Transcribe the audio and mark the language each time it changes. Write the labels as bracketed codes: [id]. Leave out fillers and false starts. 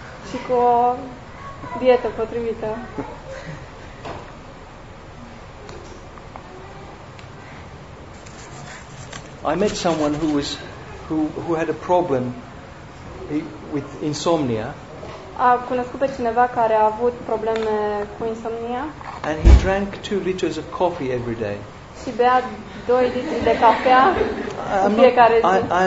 [ro] Și cu o dietă potrivită. [en] I met someone who had a problem with insomnia. [ro] A cunoscut pe cineva care a avut probleme cu insomnia. [en] And he drank 2 liters of coffee every day. [ro] Și bea 2 litri de cafea în fiecare zi.